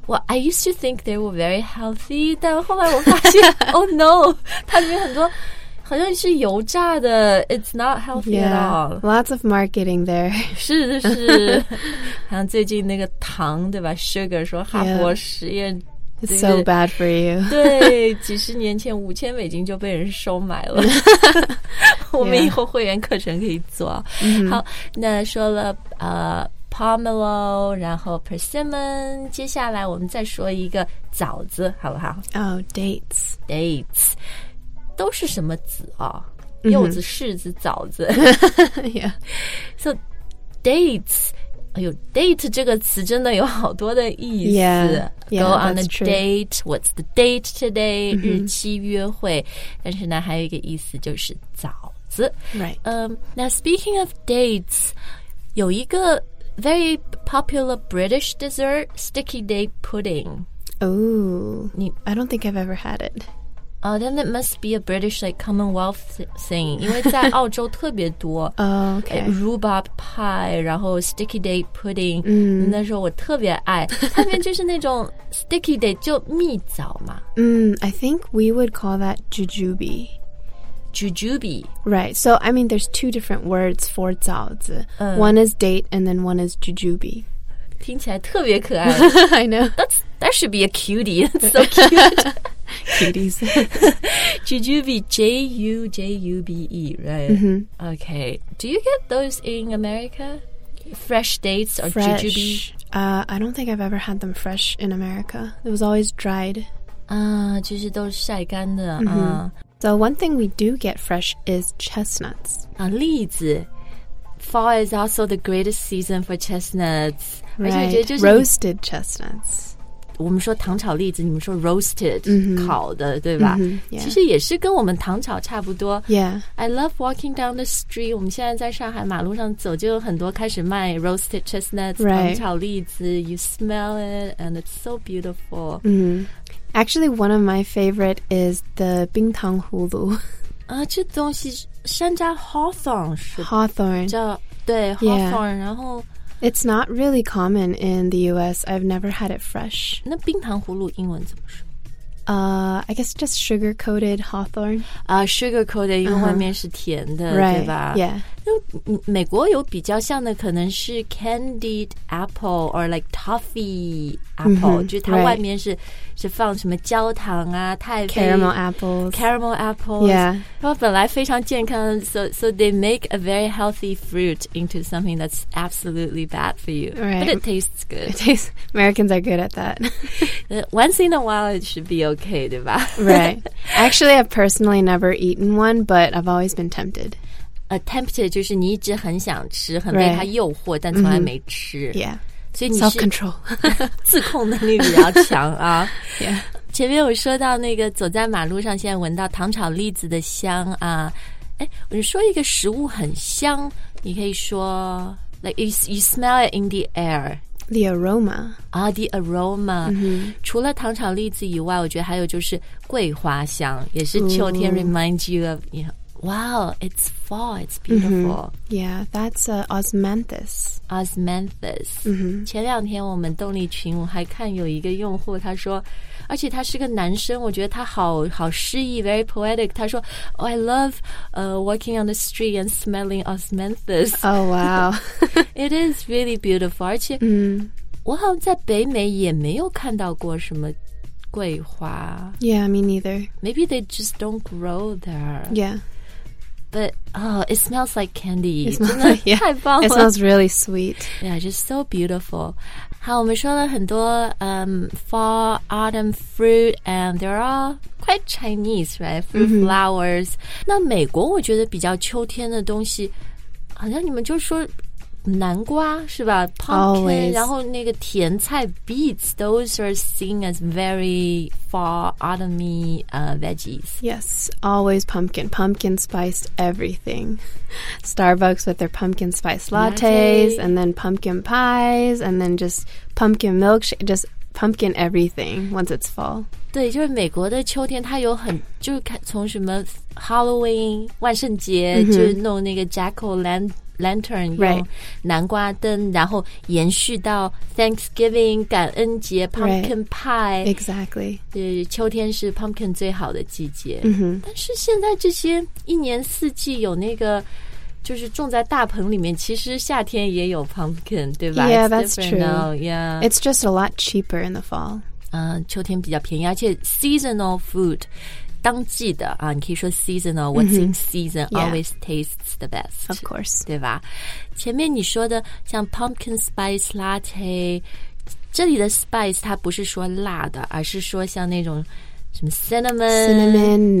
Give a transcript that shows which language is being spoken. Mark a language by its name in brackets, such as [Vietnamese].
[English] well I used to think they were very healthy [Chinese] 但后来我发现 [English] oh no [Chinese] 它里面很多好像是油炸的 [English] It's not healthy yeah, at all Lots of marketing there [Chinese] 是是好像最近那个糖对吧 Sugar 说哈佛实验、 [English] yeah. It's so bad for you [Chinese] 对几十年前$5,000就被人收买了我们以后会员课程可以做、 [English] yeah. [Chinese] 好那说了pomelo 然后 persimmon 接下来我们再说一个枣子好不好 [English] Oh dates [Chinese] Dates都是什么籽啊、哦？柚子、柿子、枣子。 [English] yeah. So dates, [Chinese] 哎呦 ，date 这个词真的有好多的意思。 [English] Yeah, Go yeah, on a date.、 True. What's the date today?、Mm-hmm. [Chinese] 日期约会。但是呢，还有一个意思就是枣子。 [English] Right. Now speaking of dates, [Chinese] 有一个 [English] very popular British dessert, sticky date pudding. Oh, I don't think I've ever had it. Then it must be a British like Commonwealth thing. [Chinese] 因为在澳洲特别多。 [English] Oh, okay. Rhubarb pie, [Chinese] 然后 [English] sticky date pudding.、 Mm. [Chinese] 那时候我特别爱。它面就是那种 sticky date, 就蜜枣嘛。 [English] I think we would call that jujube. Jujube. Right. So, I mean, there's two different words for 枣子. One is date and then one is jujube. [Chinese] 听起来特别可爱。 [English] I know. That should be a cutie. That's so cute. Cuties. Jujube, J-U-J-U-B-E, right?、 Mm-hmm. Okay. Do you get those in America? Fresh dates or fresh. Jujube?、 I don't think I've ever had them fresh in America. It was always dried. [Chinese] 就是都晒干的、 mm-hmm. [English] So one thing we do get fresh is chestnuts. 栗子 Fall is also the greatest season for chestnuts. Right, [Chinese] 就是、 [English] roasted chestnuts. [Chinese] 我们说糖炒栗子，你们说 roasted、 mm-hmm. 烤的，对吧？ [English] Mm-hmm, yeah. [Chinese] 其实也是跟我们糖炒差不多。 [English] Yeah, I love walking down the street. [Chinese] 我们现在在上海马路上走，就有很多开始卖 roasted chestnuts、 [English] right. [Chinese] 糖炒栗子。 [English] You smell it, and it's so beautiful.、 Mm-hmm. Actually, one of my favorite is the 冰糖葫芦。 [Chinese] 啊，这东西山楂 hawthorn 是 [English] hawthorn [Chinese] 叫对 hawthorn，、 [English] yeah. [Chinese] 然后。 [English] It's not really common in the U.S. I've never had it fresh. [Chinese] 那冰糖葫芦英文怎么说？ [English] I guess just sugar-coated hawthorn. [Chinese] Sugar-coated, 因为外面是甜的、 [English] right. [Chinese] 对吧 [English] yeah. [Chinese] 美国有比较像的可能是 [English] candied apple or like toffee apple、 [Chinese] mm-hmm, 就它外面是、 [English] right. [Chinese] 是放什么焦糖啊太妃 [English] caramel apples caramel apples yeah [Chinese] 它本来非常健康 [English] so they make a very healthy fruit into something that's absolutely bad for you、 right. but it tastes good it tastes, Americans are good at that once in a while it should be okay [Chinese] 对吧 [English] right actually I've personally never eaten one but I've always been tempted [Chinese] Attempted 就是你一直很想吃很被它诱惑、 [English] right. [Chinese] 但从来没吃、 [English] mm-hmm. yeah. [Chinese] 所以你是 [English] Self-control [Chinese] 自控能力比较强啊、 [English] yeah. [Chinese] 前面我说到那个走在马路上现在闻到糖炒栗子的香啊，我就说一个食物很香你可以说 [English] like you smell it in the air The aroma、 ah, The aroma、 mm-hmm. [Chinese] 除了糖炒栗子以外我觉得还有就是桂花香也是秋天 [English] remind you of you knowWow, it's fall, it's beautiful.、 Mm-hmm. Yeah, that's、osmanthus. Osmanthus.、 Mm-hmm. [Chinese] 前两天我们动力群我还看有一个用户他说而且他是个男生我觉得他好诗意 [English] very poetic. [Chinese] 他说 [English] Oh, I love、walking on the street and smelling osmanthus. Oh, wow. it is really beautiful. [Chinese] 而且、 mm-hmm. 我好像在北美也没有看到过什么桂花。 [English] Yeah, me neither. Maybe they just don't grow there. Yeah. But, oh, it smells like candy. It smells, yeah. It smells really sweet. Yeah, just so beautiful. [Chinese] 好我们说了很多、 [English] fall, autumn fruit, and they're all quite Chinese, right? Fruit、 mm-hmm. flowers. [Chinese] 那美国我觉得比较秋天的东西好像你们就说南瓜是吧 Pumpkin,、 [English] Always. [Chinese] 然后那个甜菜 [English] beets, those are seen as very fall autumn-y、veggies. Yes, always pumpkin. Pumpkin spiced everything. Starbucks with their pumpkin spice lattes, and then pumpkin pies, and then just pumpkin milkshake, just pumpkin everything once it's fall. [Chinese] 对就是美国的秋天它有很就从什么 Halloween, 万圣节、 mm-hmm. 就弄那个 Jack-o'-lantern 用南瓜灯、 [English] right. [Chinese] 然后延续到 Thanksgiving 感恩节 Pumpkin pie、 [English] right. Exactly [Chinese] 对秋天是 pumpkin 最好的季节、 mm-hmm. 但是现在这些一年四季有那个就是种在大棚里面其实夏天也有 pumpkin 对吧 [English] Yeah that's true、 now. Yeah, It's just a lot cheaper in the fall、 [Chinese] 秋天比较便宜而且 seasonal food当季的啊，你可以说 seasonal、mm-hmm. [English] What's in season、 yeah. always tastes the best Of course [Chinese] 对吧前面你说的像 pumpkin spice latte 这里的 spice 它不是说辣的而是说像那种什么 cinnamon